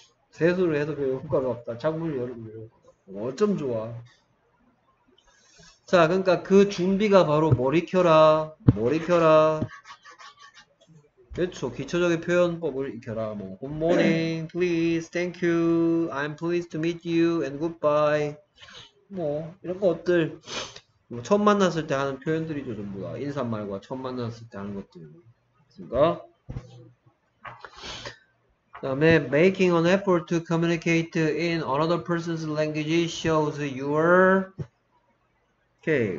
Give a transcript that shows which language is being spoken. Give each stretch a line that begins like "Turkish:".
Korean: 세수를 해도 별 효과가 없다. 창문을 열어보면 어쩜 좋아. 자, 그러니까 그 준비가 바로 머리 켜라. 머리 켜라. 그렇죠. 기초적인 표현법을 익혀라. 뭐,
English: Good morning, please, thank you, I'm pleased to meet you, and goodbye.
Korean: 뭐, 이런 것들. 뭐 처음 만났을 때 하는 표현들이죠, 전부 다. 인사말과 처음 만났을 때 하는 것들. 그니까. 그다음에
English: making an effort to communicate in another person's language shows your.
Korean: 오케이.